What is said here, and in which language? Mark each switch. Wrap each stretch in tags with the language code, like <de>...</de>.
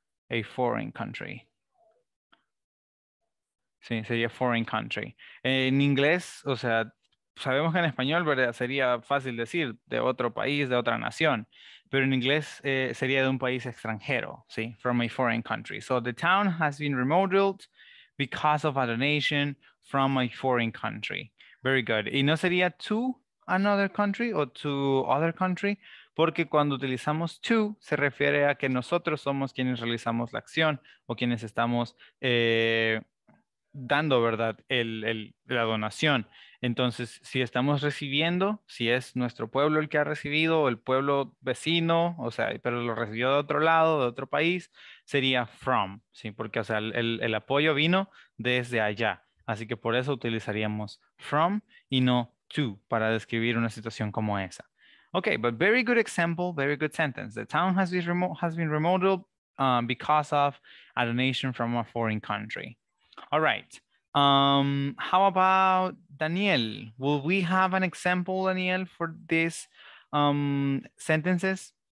<en>A foreign country.</en> <es>Sí, sería</es> <en>foreign country.</en> <es>En inglés, o sea, sabemos que en español, ¿verdad? Sería fácil decir de otro país, de otra nación. Pero en inglés sería de un país extranjero, ¿sí?</es> <en>From a foreign country. So the town has been remodeled because of a donation from a foreign country. Very good.</en> <es>Y no sería</es> <en>to another country</en> <es>o</es> <en>to other country,</en> <es>porque cuando utilizamos to, se refiere a que nosotros somos quienes realizamos la acción o quienes estamos dando, ¿verdad? La donación. Entonces, si estamos recibiendo, si es nuestro pueblo el que ha recibido, o el pueblo vecino, o sea, pero lo recibió de otro lado, de otro país, sería from, ¿sí? Porque, o sea, el apoyo vino desde allá. Así que por eso utilizaríamos from y no to para describir una situación como esa.</es> <en>Okay, but very good example, very good sentence. The town has been remodeled because of a donation from a foreign country. All right. How about Daniel? Will we have an example, Daniel, for these sentences?</en>